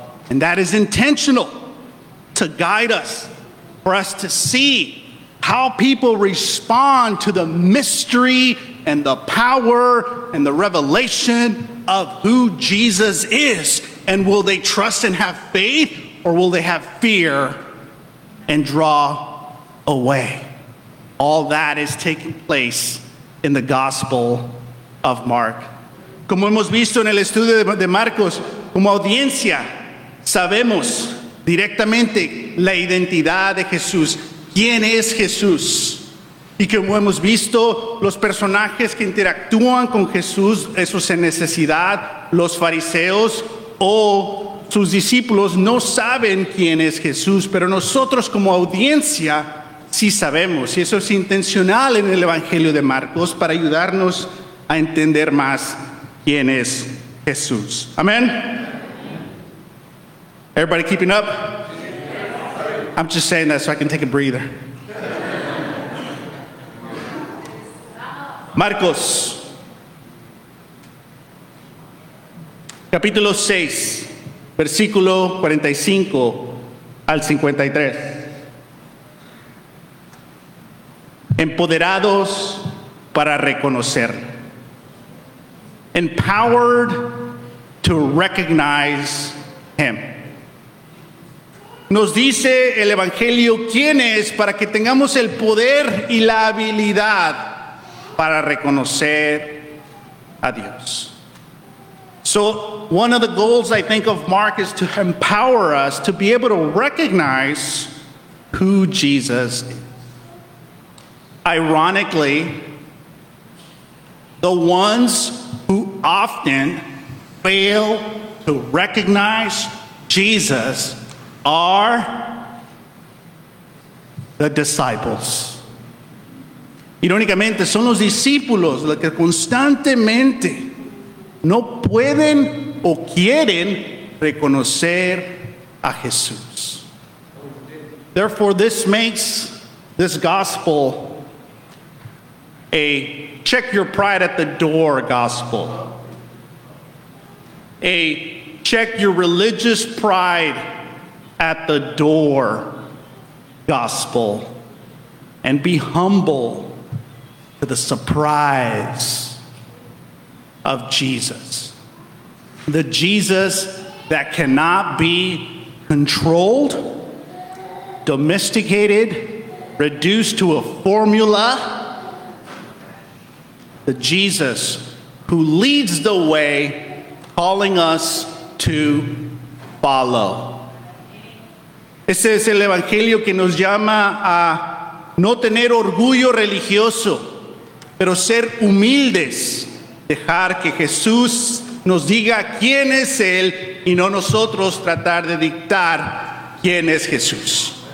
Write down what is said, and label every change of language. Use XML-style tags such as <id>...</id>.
<en>And that is intentional to guide us, for us to see how people respond to the mystery and the power and the revelation of who Jesus is. And will they trust and have faith, or will they have fear and draw away? All that is taking place in the Gospel of Mark.</en> <es>Como hemos visto en el estudio de Marcos, como audiencia, sabemos directamente la identidad de Jesús. ¿Quién es Jesús? Y como hemos visto, los personajes que interactúan con Jesús, esos en necesidad, los fariseos o sus discípulos, no saben quién es Jesús, pero nosotros como audiencia sí sabemos. Y eso es intencional en el Evangelio de Marcos para ayudarnos a entender más quién es Jesús. Amén.</es> <en>Everybody keeping up? I'm just saying that so I can take a breather.</en> <es>Marcos, capítulo 6, versículo 45 al 53. Empoderados para reconocer.</es> <en>Empowered to recognize him.</en> <es>Nos dice el Evangelio quién es para que tengamos el poder y la habilidad para reconocer a Dios.</es> <en>So one of the goals I think of Mark is to empower us to be able to recognize who Jesus is. Ironically, the ones who often fail to recognize Jesus are the disciples.</en> <es>Irónicamente, son los discípulos los que constantemente no pueden o quieren reconocer a Jesús.</es> <en>Therefore, this makes this gospel a check your pride at the door gospel. A check your religious pride at the door gospel. And be humble to the surprise of Jesus. The Jesus that cannot be controlled, domesticated, reduced to a formula. The Jesus who leads the way, calling us to follow.</en> <es>Ese es el evangelio que nos llama a no tener orgullo religioso, pero ser humildes, dejar que Jesús nos diga quién es Él y no nosotros tratar de dictar quién es Jesús.</es>